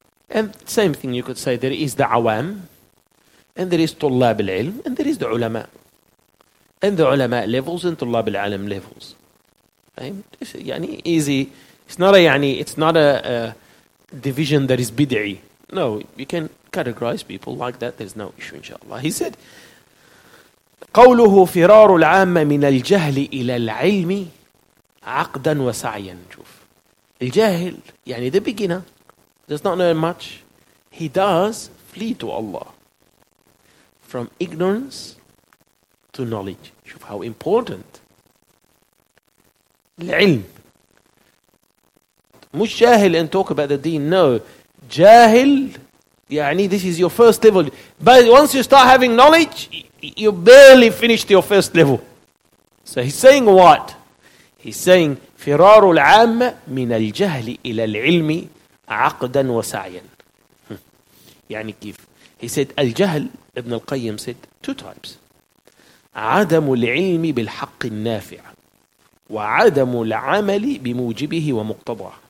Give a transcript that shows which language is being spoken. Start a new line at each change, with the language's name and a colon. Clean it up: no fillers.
English: And same thing you could say, there is the awam, and there is tullab al-ilm, and there is the ulama. And the ulama levels and tullab al-alam levels. It's yani easy. It's not a division that is bid'i. No, you can categorize people like that. There's no issue, inshallah. He said,
Arabic: قوله فرار العامة من الجهل إلى العلم عقدا وسعيا. شوف الجاهل يعني
English: the beginner does not know much. He does flee to Allah from ignorance to knowledge.
Arabic: شوف
English: how important العلم.
Arabic: مش جاهل
English: and talk about the deen. No,
Arabic: جاهل يعني
English: this is your first level. But once you start having knowledge, you barely finished your first level. So he's saying what? He's saying
Arabic: فرار العام من الجهل إلى العلم عقدا وسعيا. يعني كيف?
English: He said الجهل, ابن القيم said two types.
Arabic: عدم العلم بالحق النافع وعدم العمل بموجبه ومقتضاه.